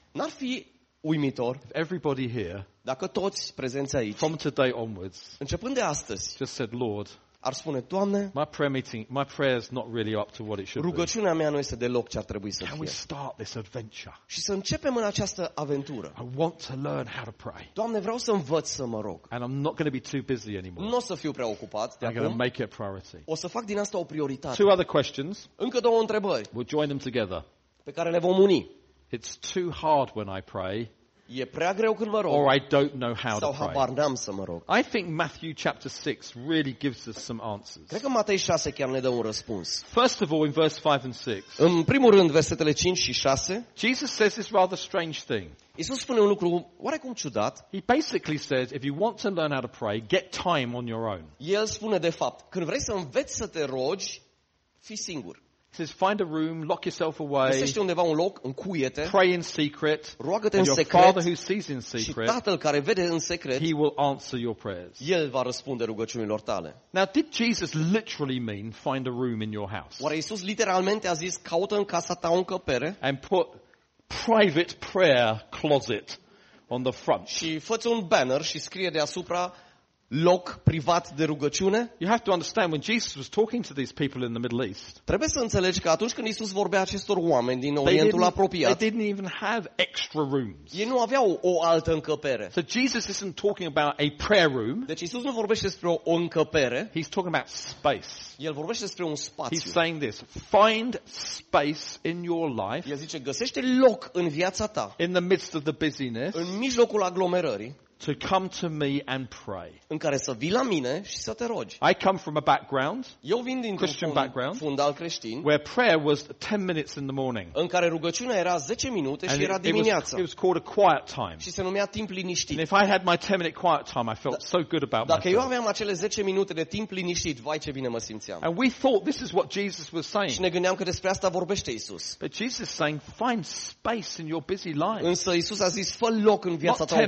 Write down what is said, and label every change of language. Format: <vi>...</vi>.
<ro>N-ar fi uimitor?</ro> <en>If everybody here,</en> <ro>dacă toți prezenți aici,</ro> <en>from today onwards,</en> <ro>începând de astăzi,</ro> <en>just said, Lord,</en> <ro>ar spune, Doamne,</ro> <en>my prayer is not really up to what it should be.</en> <ro>Rugăciunea mea nu este deloc ce ar trebui să fie.</ro> <en>Can we start this adventure?</en> <ro>Și să începem în această aventură.</ro> <en>I want to learn how to pray.</en> <ro>Doamne, vreau să învăț să mă rog.</ro> <en>And I'm not going to be too busy anymore.</en> <ro>Nu o să fiu preocupat de acum.</ro> <en>I'm going to make it a priority.</en> <ro>O să fac din asta o prioritate.</ro> <en>Two other questions.</en> <ro>Încă două întrebări.</ro> <en>We'll join them together.</en> <ro>Pe care le vom uni.</ro> <en>It's too hard when I pray.</en> <ro>E prea greu când mă rog.</ro> <en>Or I don't know how</en> <ro>sau</ro> <en>to pray.</en> <ro>Habar n-am să mă rog.</ro> <en>I think Matthew chapter 6 really gives us some answers.</en> <ro>Cred că Matei 6 chiar ne dă un răspuns.</ro> <en>First of all, in verse 5 and 6.</en> <ro>În primul rând, versetele 5 și 6.</ro> <en>Jesus says this rather strange thing.</en> <ro>Iisus spune un lucru oarecum ciudat.</ro> <en>He basically says, if you want to learn how to pray, get time on your own.</en> <ro>El spune de fapt, când vrei să înveți să te rogi, fii singur.</ro> <en>Says find a room, lock yourself away.</en> <ro>Găsește undeva un loc încuiete.</ro> <en>Pray in secret.</en> <ro>Roagă-te în secret.</ro> <en>And your Father who sees in secret.</en> <ro>Și Tatăl care vede în secret.</ro> <en>He will answer your prayers.</en> <ro>El va răspunde rugăciunilor tale.</ro> <en>Now did Jesus literally mean find a room in your house?</en> <ro>Oare Iisus literalmente a zis caută în casa ta o încăpere?</ro> <en>And put private prayer closet on the front.</en> <ro>Și fă-ți un banner și scrie deasupra loc privat de rugăciune.</ro> <en>You have to understand when Jesus was talking to these people in the Middle East.</en> <ro>Trebuie să înțelegi că atunci când Iisus vorbea acestor oameni din Orientul apropiat,</ro> <en>they didn't even have extra rooms.</en> <ro>Ei nu aveau o altă încăpere.</ro> <en>So Jesus isn't talking about a prayer room.</en> <ro>Deci Iisus nu vorbește despre o încăpere.</ro> <en>He's talking about space.</en> <ro>El vorbește despre un spațiu.</ro> <en>He's saying this, find space in your life.</en> <ro>El zice găsește loc în viața ta.</ro> <en>In the midst of the busyness.</en> <ro>În mijlocul aglomerării.</ro> <en>to come to me and pray.</en> <ro>În care să vii la mine și să te rogi.</ro> <en>I come from a background.</en> <ro>Eu vin dintr-un</ro> <en>Christian background,</en> <ro>fundal creștin.</ro> <en>Where prayer was 10 minutes in the morning.</en> <ro>În care rugăciunea era 10 minute și era dimineața.</ro> <en>It was called a quiet time.</en> <ro>Și se numea timp liniștit.</ro> <en>And if I had my 10 minute quiet time, I felt so good about myself.</en> <ro>Dacă eu aveam acele 10 minute de timp liniștit, vai ce bine mă simțeam.</ro> <en>And we thought this is what Jesus was saying.</en> <ro>Și ne gândeam că despre asta vorbește Isus.</ro> <en>But Jesus is saying find space in your busy life.</en> <ro>Însă Isus a zis fă loc în viața ta ocupată.</ro>